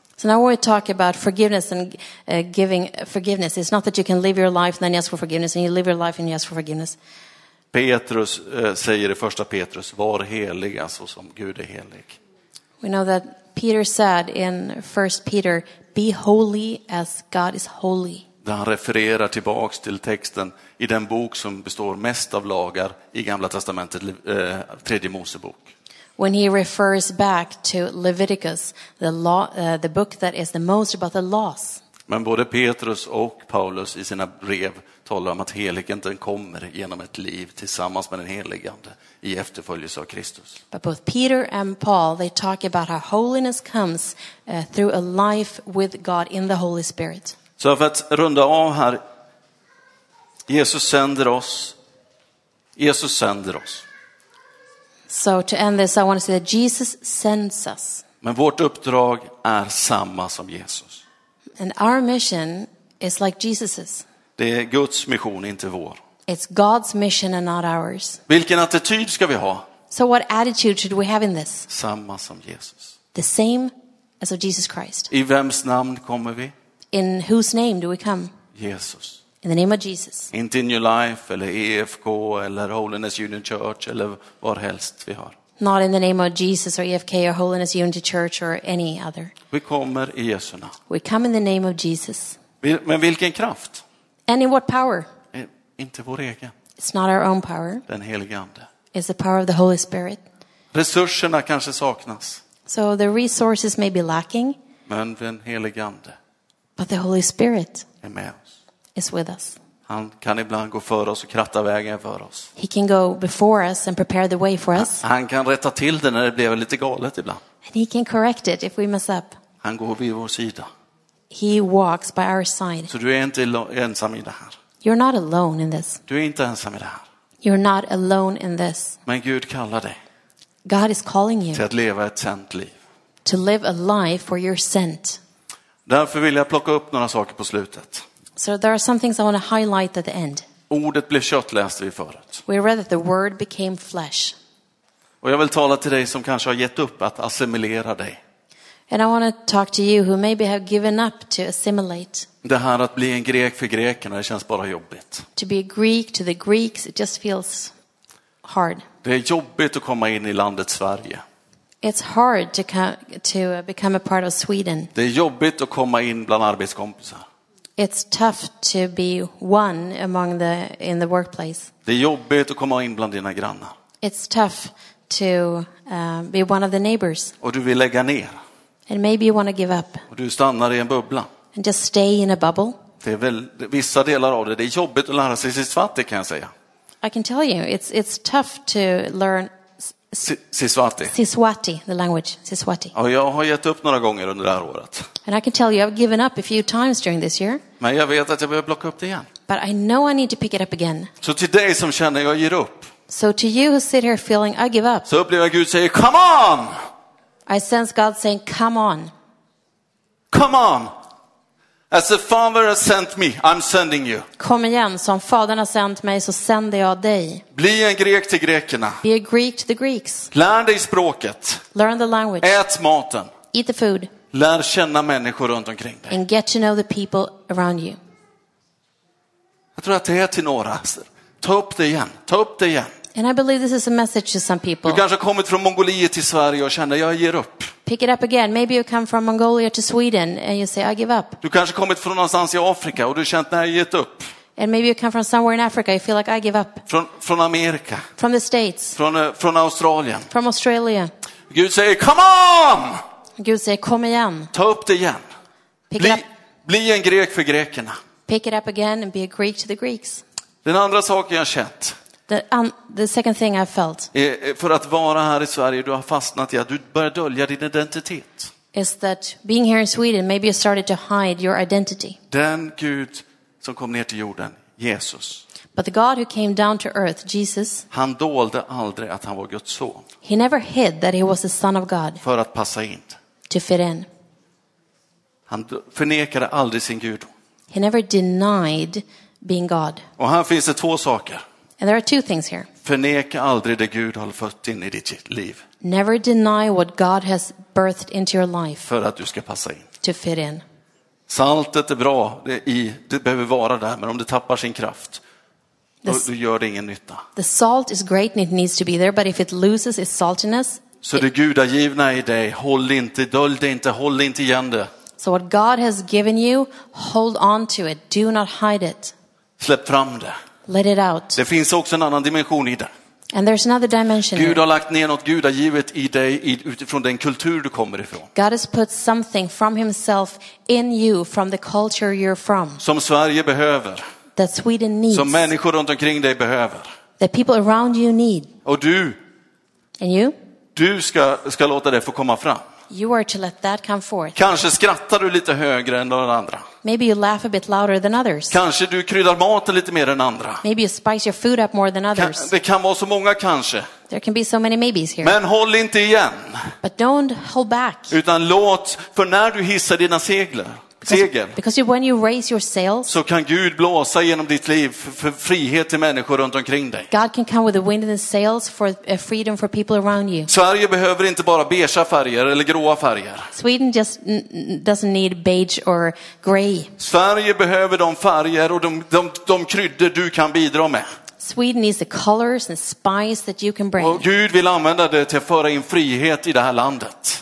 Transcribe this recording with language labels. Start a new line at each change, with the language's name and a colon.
English: So now we talk about forgiveness and giving forgiveness. It's not that you can live your life and then ask for forgiveness and you live your life and you ask for forgiveness.
Swedish: Petrus säger i första Petrus, var heliga så som Gud är helig.
English: We know that Peter said in 1 Peter, be holy as God is holy.
Swedish: Där han refererar tillbaks till texten i den bok som består mest av lagar i Gamla testamentet, tredje Mosebok.
English: When he refers back to Leviticus, the law, the book that is the most about the laws.
Swedish: Men både Petrus och Paulus i sina brev talar om att heligheten kommer genom ett liv tillsammans med den heligande i efterföljelse av Kristus.
English: But both Peter and Paul, they talk about how holiness comes through a life with God in the Holy Spirit.
Swedish: Så för att runda av här, Jesus sänder oss. Jesus sänder oss.
English: So to end this, I want to say that Jesus sends us.
Swedish: Men vårt uppdrag är samma som Jesus.
English: And our mission is like Jesus's.
Swedish: Det är Guds mission, inte vår.
English: It's God's mission and not ours.
Swedish: Vilken attityd ska vi ha?
English: So what attitude should we have in this?
Swedish: Samma som Jesus.
English: The same as of Jesus Christ.
Swedish: I vems namn kommer vi?
English: In whose name do we come?
Swedish: Jesus.
English: In the name of Jesus.
Swedish: Inte
English: in your life
Swedish: eller EFK eller Holiness Union Church eller var helst vi har.
English: Not in the name of Jesus or EFK or Holiness Unity Church or any other.
Swedish: Vi kommer i Jesu namn.
English: We come in the name of Jesus.
Swedish: Men vilken kraft?
English: And in what power?
Swedish: Inte vår egen.
English: It's not our own power.
Swedish: Den helige ande.
English: It's the power of the Holy Spirit.
Swedish: Resurserna kanske saknas.
English: So the resources may be lacking.
Swedish: Men den helige ande.
English: But the Holy Spirit
Swedish: är med oss.
English: Is with us.
Swedish: Han kan ibland gå före oss och kratta vägen för oss.
English: He can go before us and prepare the way for us.
Swedish: Han kan rätta till det när det blev lite galet ibland.
English: And he can correct it if we mess up.
Swedish: Han går vid vår sida.
English: He walks by our side.
Swedish: Så du är inte ensam i det här.
English: You're not alone in this.
Swedish: Du är inte ensam i det här.
English: You're not alone in this.
Swedish: Men Gud kallar dig.
English: God is calling you.
Swedish: Till att leva ett sänt liv.
English: To live a life where you're sent.
Swedish: Därför vill jag plocka upp några saker på slutet.
English: So there are some things I want to highlight at the end.
Swedish: Ordet blev kött, läste vi förut.
English: We read that the word became flesh.
Swedish: Och jag vill tala till dig som kanske har gett upp att assimilera dig.
English: And I want to talk to you who maybe have given up to assimilate.
Swedish: Det här att bli en grek för grekerna, det känns bara jobbigt.
English: To be a Greek to the Greeks, it just feels hard.
Swedish: Det är jobbigt att komma in i landet Sverige.
English: It's hard to become a part of Sweden.
Swedish: Det är jobbigt att komma in bland arbetskompisar.
English: It's tough to be one among the in the workplace.
Swedish: Det är jobbigt att komma in bland dina grannar.
English: It's tough to be one of the neighbors.
Swedish: Och du vill lägga ner.
English: And maybe you want to give up.
Swedish: Och du stannar i en bubbla.
English: And just stay in a bubble.
Swedish: Det är väl vissa delar av det. Det är jobbigt att lära sig sisvati, kan jag säga.
English: I can tell you, it's tough to learn Sisvati. Sisvati, the language. Sisvati.
Swedish: Och jag har gett upp några gånger under det här året.
English: And I can tell you, I've given up a few times during this year.
Swedish: Men jag vet att jag behöver plocka upp det igen.
English: But I know I need to pick it up again.
Swedish: Så till dig som känner jag ger upp.
English: So to you who sit here feeling I give up.
Swedish: Så upplever jag Gud säger
English: come on. I sense God saying come on. Come on. As the Father has sent me, I'm sending you.
Swedish: Kom igen, som Fadern har sänt mig så sänder jag dig. Bli en grek till grekerna.
English: Be a Greek to the Greeks.
Swedish: Lär dig språket.
English: Learn the language.
Swedish: Ät maten.
English: Eat the food.
Swedish: Lär känna människor runt omkring dig.
English: And get to know the people around you.
Swedish: Jag tror att det är till några. Ta upp det igen. Ta upp det igen.
English: And I believe this is a message to some people.
Swedish: Du kanske har kommit från Mongoliet till Sverige och känner jag ger upp.
English: Pick it up again. Maybe you come from Mongolia to Sweden and you say I give up.
Swedish: Du kanske kommit från någonstans i Afrika och du känt när jag gett upp.
English: And maybe you come from somewhere in Africa you feel like I give up.
Swedish: Från Amerika.
English: From the States.
Swedish: Från Australien.
English: From Australia.
Swedish: Gud säger
English: come on.
Swedish: Gud säger kom igen. Ta upp det igen. Bli en grek för grekerna.
English: Pick it up again and be a Greek to the Greeks.
Swedish: Den andra saken jag känt.
English: The second thing I felt.
Swedish: För att vara här i Sverige, du har fastnat i att du börjar dölja din identitet.
English: Is that being here in Sweden, maybe you started to hide your identity.
Swedish: Den Gud som kom ner till jorden, Jesus.
English: But the God who came down to earth, Jesus.
Swedish: Han dolde aldrig att han var Guds son.
English: He never hid that he was the son of God.
Swedish: För att passa in.
English: To fit in.
Swedish: Han förnekade aldrig sin Gud.
English: He never denied being God.
Swedish: Och här finns det två saker.
English: And there are two things here.
Swedish: Förneka aldrig det Gud har fött in i ditt liv.
English: Never deny what God has birthed into your life.
Swedish: För att du ska passa in.
English: To fit in.
Swedish: Saltet är bra, det behöver vara där, men om det tappar sin kraft, då gör det ingen nytta.
English: The salt is great and it needs to be there, but if it loses its saltiness.
Swedish: Så det gudagivna i dig, håll inte, dölj det inte, håll inte igen det.
English: So what God has given you, hold on to it, do not hide it.
Swedish: Släpp fram det.
English: Let it out.
Swedish: Det finns också en annan dimension i det.
English: And there's another dimension.
Swedish: Gud har lagt ner något gudagivet i dig utifrån den kultur du kommer ifrån.
English: God has put something from himself in you from the culture you're from.
Swedish: Som Sverige behöver.
English: That Sweden needs.
Swedish: Som människor runt omkring dig behöver.
English: That people around you need.
Swedish: Och du?
English: And you?
Swedish: Du ska låta det få komma fram.
English: You are to let that come forth.
Swedish: Kanske skrattar du lite högre än någon andra.
English: Maybe you laugh a bit louder than others.
Swedish: Kanske du kryddar maten lite mer än andra.
English: Maybe you spice your food up more than others.
Swedish: Det kan vara så många kanske.
English: There can be so many maybes here.
Swedish: Men håll inte igen.
English: But don't hold back.
Swedish: Utan låt, för när du hissar dina segel.
English: Because when you raise your sails.
Swedish: Så kan Gud blåsa genom ditt liv för frihet till människor runt omkring dig.
English: God can come with the wind and the sails for freedom for people around you.
Swedish: Sverige behöver inte bara beige färger eller gråa färger.
English: Sweden just doesn't need beige or gray.
Swedish: Sverige behöver de färger och de kryddor du kan bidra med.
English: Sweden needs the colors and spice that you can bring.
Swedish: Och Gud vill använda det till att föra in frihet i det här landet.